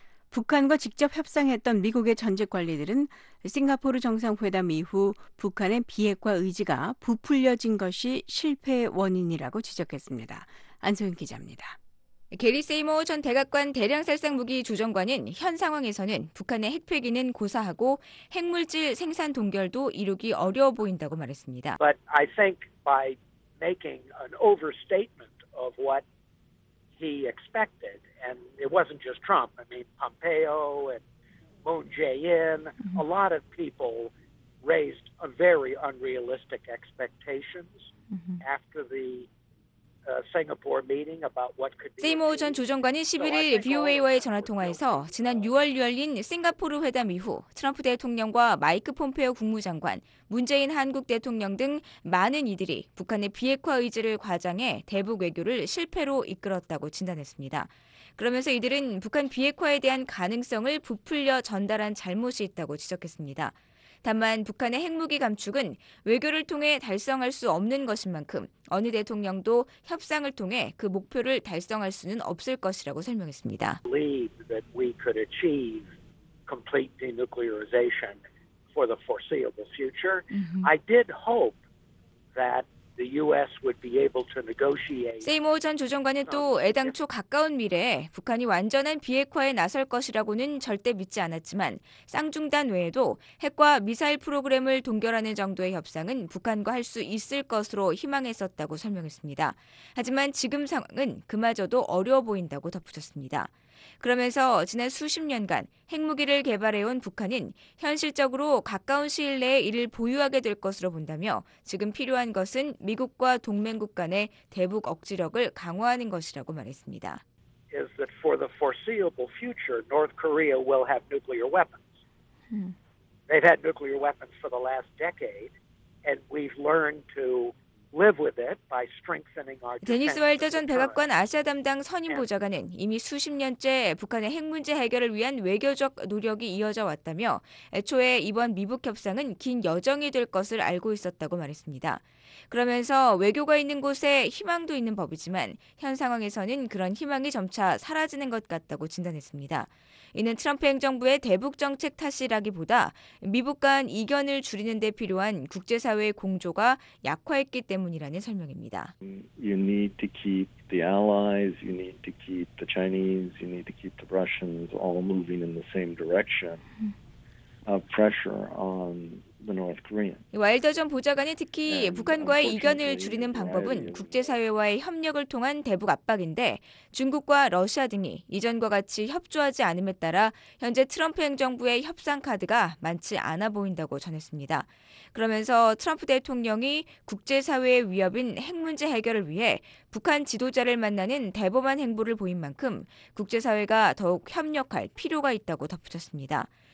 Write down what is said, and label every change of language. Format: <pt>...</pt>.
<ko>북한과 직접 협상했던 미국의 전직 관리들은 싱가포르 정상회담 이후 북한의 비핵화 의지가 부풀려진 것이 실패의 원인이라고 지적했습니다. 안소윤 기자입니다. 게리 세이모 전 대각관 대량살상무기 조정관은 현 상황에서는 북한의 핵폐기는 고사하고 핵물질 생산 동결도 이루기 어려워 보인다고 말했습니다.</ko> <en>But I think by making an overstatement of what he expected, and it wasn't just Trump. I mean, Pompeo and Moon Jae-in, a lot of people raised a very unrealistic expectations mm-hmm. after the Singapore meeting about what could be.</en> <ko>세이모 전 조정관이 11일 VOA와의 전화 통화에서 지난 6월 열린 싱가포르 회담 이후 트럼프 대통령과 마이크 폼페이오 국무장관, 문재인 한국 대통령 등 많은 이들이 북한의 비핵화 의지를 과장해 대북 외교를 실패로 이끌었다고 진단했습니다. 그러면서 이들은 북한 비핵화에 대한 가능성을 부풀려 전달한 잘못이 있다고 지적했습니다. 다만 북한의 핵무기 감축은 외교를 통해 달성할 수 없는 것인 만큼 어느 대통령도 협상을 통해 그 목표를 달성할 수는 없을 것이라고 설명했습니다.</ko> <en>Believe that we could achieve complete denuclearization for the foreseeable future. I did hope that the U.S. would be able to negotiate.</en> <ko>세이모 전 조정관은 또 애당초 가까운 미래에 북한이 완전한 비핵화에 나설 것이라고는 절대 믿지 않았지만 쌍중단 외에도 핵과 미사일 프로그램을 동결하는 정도의 협상은 북한과 할 수 있을 것으로 희망했었다고 설명했습니다. 하지만 지금 상황은 그마저도 어려워 보인다고 덧붙였습니다. 그러면서 지난 수십 년간 핵무기를 개발해온 북한은 현실적으로 가까운 시일 내에 이를 보유하게 될 것으로 본다며 지금 필요한 것은 미국과 동맹국 간의 대북 억지력을 강화하는 것이라고 말했습니다.</ko> <en>Is that for the foreseeable future, North Korea will have nuclear weapons. They've had nuclear weapons for the last decade, and we've learned to live with it by strengthening our</en> <ko>데니스 월터 전 백악관 아시아 담당 선임 보좌관은 이미 수십 년째 북한의 핵 문제 해결을 위한 외교적 노력이 이어져 왔다며 애초에 이번 미북 협상은 긴 여정이 될 것을 알고 있었다고 말했습니다. 그러면서 외교가 있는 곳에 희망도 있는 법이지만 현 상황에서는 그런 희망이 점차 사라지는 것 같다고 진단했습니다. 이는 트럼프 행정부의 대북 정책 탓이라기보다 미북 간 이견을 줄이는 데 필요한 국제사회의 공조가 약화했기 때문이라는 설명입니다.</ko> <en>You need to keep the allies, you need to keep the Chinese, you need to keep the Russians all moving in the same direction of pressure on the North Koreans.</en> <ko>와일더 전 보좌관이 특히 북한과의 이견을 줄이는 방법은 국제사회와의 협력을 통한 대북 압박인데 중국과 러시아 등이 이전과 같이 협조하지 않음에 따라 현재 트럼프 행정부의 협상 카드가 많지 않아 보인다고 전했습니다. 그러면서 트럼프 대통령이 국제사회의 위협인 핵 문제 해결을 위해 북한 지도자를 만나는 대범한 행보를 보인 만큼 국제사회가 더욱 협력할 필요가 있다고 덧붙였습니다.</ko>